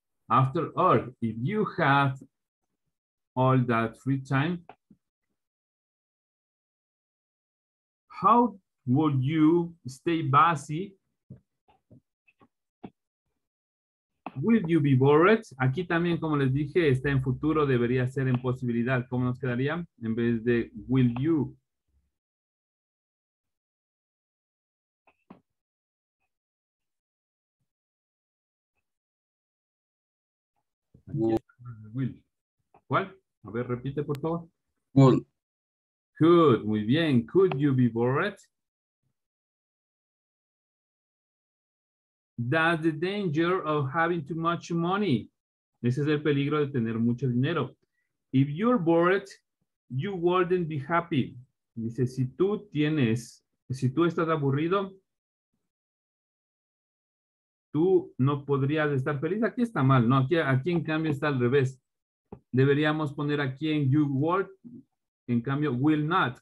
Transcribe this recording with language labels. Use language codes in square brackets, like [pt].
[en] After all, if you have all that free time, how would you stay busy? Will you be bored? [es] Aquí también, como les dije, está en futuro, debería ser en posibilidad. ¿Cómo nos quedaría? En vez de [en] will you. [es] Will. ¿Cuál? A ver, repite, por favor. [en] Will. Good, [es] muy bien. [en] Could you be bored? That's the danger of having too much money. [es] Ese es el peligro de tener mucho dinero. [en] If you're bored, you wouldn't be happy. [es] Dice, si tú estás aburrido, tú no podrías estar feliz. Aquí está mal, ¿no? Aquí en cambio está al revés. Deberíamos poner aquí en [en] you would, [es] en cambio, [en] will not.